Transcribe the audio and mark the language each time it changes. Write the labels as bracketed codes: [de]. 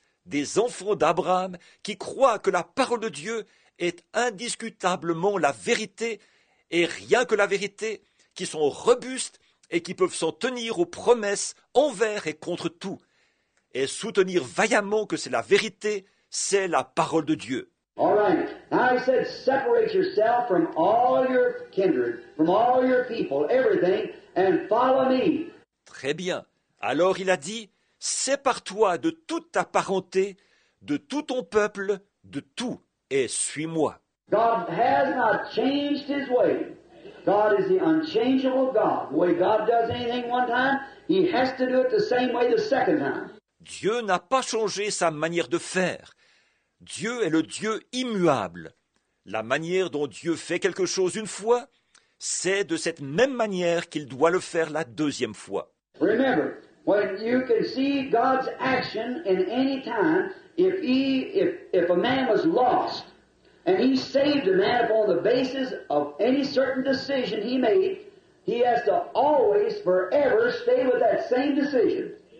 [fr] Des enfants d'Abraham qui croient que la parole de Dieu est indiscutablement la vérité et rien que la vérité, qui sont robustes et qui peuvent s'en tenir aux promesses envers et contre tout, et soutenir vaillamment que c'est la vérité, c'est la parole de Dieu. [en] All right. Now I said, separate yourself from all your kindred, from all your people, everything, and follow me. [fr] Très bien. Alors il a dit, sépare-toi de toute ta parenté, de tout ton peuple, de tout, et suis-moi. [en] God has not changed his way. God is the unchangeable God. The way God does anything one time, he has to do it the same way the second time. [fr] Dieu n'a pas changé sa manière de faire. Dieu est le Dieu immuable. La manière dont Dieu fait quelque chose une fois, c'est de cette même manière qu'il doit le faire la deuxième fois. [en] Remember, when you can see God's action in any time, if a man was lost and he saved a man upon the basis of any certain decision he made, he has to always, forever stay with that same decision.